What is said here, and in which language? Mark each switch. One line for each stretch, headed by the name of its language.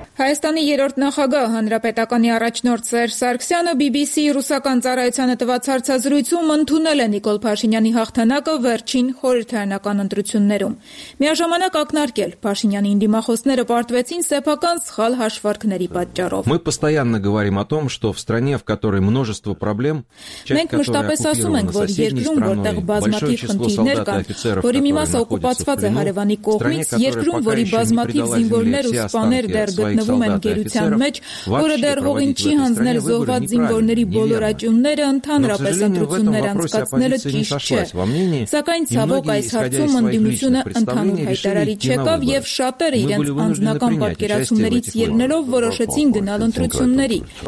Armenian: Հայաստանի երրորդ նախագահ հանրապետականի առաջնորդ Սերժ Սարգսյանը BBC-ի ռուսական ծառայությանը տված հարցազրույցում ընդունել է Նիկոլ Փաշինյանի հաղթանակը վերջին խորհրդարանական ընտրություններում։ Միաժամանակ ակնարկել, Փաշինյանի ինդիմախոսները պարտվեցին սեփական սխալ հաշվարկների պատճառով։
Russian: Мы постоянно говорим о том, что в стране, в которой множество проблем,
Armenian: Մենք մշտապես ասում ենք, որ երկրում, որտեղ բազմաթիվ խնդիրներ կան, որի մի մասը օկուպացված է հարևանի կողմից, երկրում, որի բազմաթիվ զինվորներ ու սպաներ դեռ գտնվում են ընդունվում են գերության մեջ, որը դեռ հողին չի հանձնել զոհված զինվորների բոլոր աճյունները, ընդհանրապես ընտրություններ անցկացնելը ճիշտ չէ։ Սակայն ցավոք այս հարցում ընդդիմությունը ընդհանուր հայտարարիչ եկավ և շատերը իրենց անձնական պատկերացումներից ելնելով որոշեցին գնալ ընտրությունների։